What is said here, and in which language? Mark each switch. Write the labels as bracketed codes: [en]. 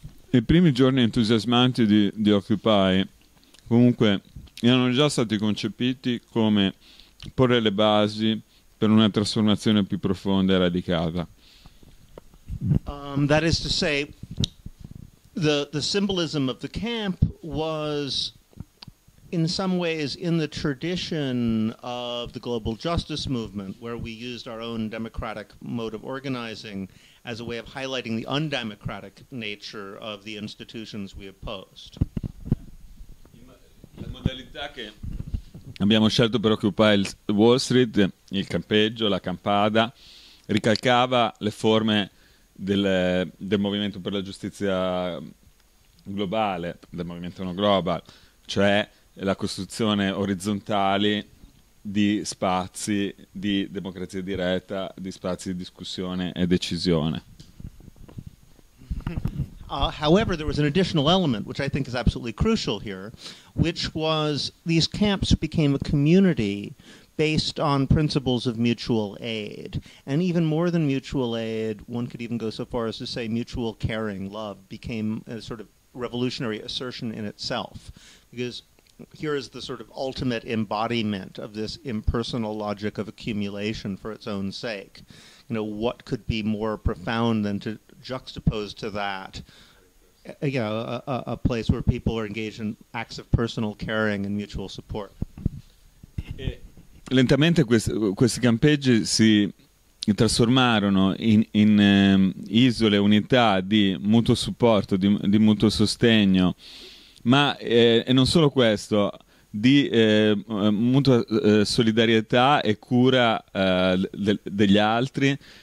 [it] I primi giorni entusiasmanti di Occupy comunque erano già stati concepiti come porre le basi per una trasformazione più profonda e radicata. [en] That is to say, the symbolism of the camp was in some ways in the tradition of the global justice movement, where we used our own democratic mode of organizing as a way of highlighting the undemocratic nature of the institutions we opposed. [it] La modalità che abbiamo scelto per occupare Wall Street, il campeggio, la campada, ricalcava le forme del movimento per la giustizia globale, del movimento no global, cioè la costruzione orizzontale di spazi di democrazia diretta, di spazi di discussione e decisione. [en] However, there was an additional element, which I think is absolutely crucial here, which was these camps became a community based on principles of mutual aid. And even more than mutual aid, one could even go so far as to say mutual caring, love, became a sort of revolutionary assertion in itself. Because here is the sort of ultimate embodiment of this impersonal logic of accumulation for its own sake. You know, what could be more profound than to juxtapose to that, you know, a place where people are engaged in acts of personal caring and mutual support. [it] Lentamente questi campeggi si trasformarono in isole, unità di mutuo supporto, di mutuo sostegno, ma e non solo questo, di mutua solidarietà e cura degli altri.